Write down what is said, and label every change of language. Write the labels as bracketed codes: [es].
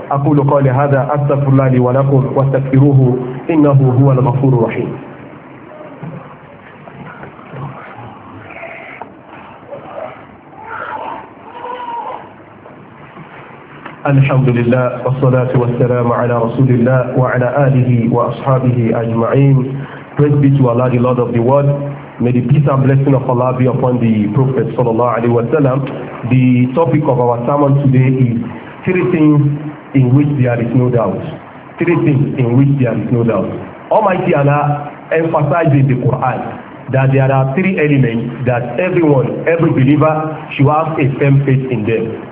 [ar] akólukọ ni hadha astaghfirullah li wa lakum wa astaghfiruhu innahu huwal ghafurur rahim. الحمد لله والصلاة والسلام على رسول الله وعلى آله وأصحابه أجمعين. [en] Praise be to Allah, the Lord of the world. May the peace and blessing of Allah be upon the Prophet [ar] صلى الله عليه وسلم. [en] The topic of our sermon today is three things in which there is no doubt. Three things in which there is no doubt. Almighty Allah emphasizes the Quran that there are three elements that everyone, every believer, should have a firm faith in them.